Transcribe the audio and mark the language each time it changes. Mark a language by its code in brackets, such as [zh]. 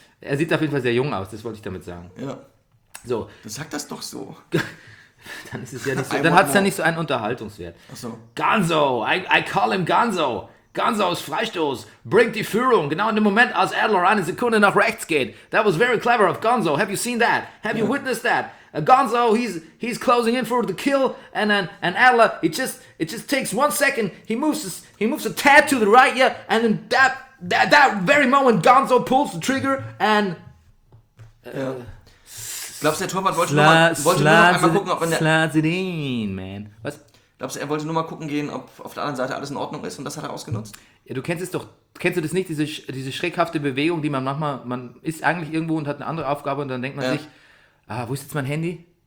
[de] Er sieht auf jeden Fall sehr jung aus, das wollte ich damit sagen. Ja. So. Du sagst das doch so. Dann ist es ja nicht so, dann hat es ja nicht so einen Unterhaltungswert. Ach so. [en] Gonzo, I call him Gonzo. [de] Gonzo's Freistoß bringt die Führung. Genau in dem Moment, als Adler eine Sekunde nach rechts geht. [en] That was very clever of Gonzo. Have you seen that? Have you witnessed that? Gonzo, he's closing in for the kill. And Adler, it just takes 1 second. He moves a tad to the right, yeah. And then that very moment, Gonzo pulls the trigger and... [de] Glaubst du, der Torwart wollte nur mal gucken gehen, ob auf der anderen Seite alles in Ordnung ist, und das hat er ausgenutzt? Ja, du kennst es doch. Kennst du das nicht, diese schreckhafte Bewegung, die man manchmal, man ist eigentlich irgendwo und hat eine andere Aufgabe und dann denkt man sich, wo ist jetzt mein Handy?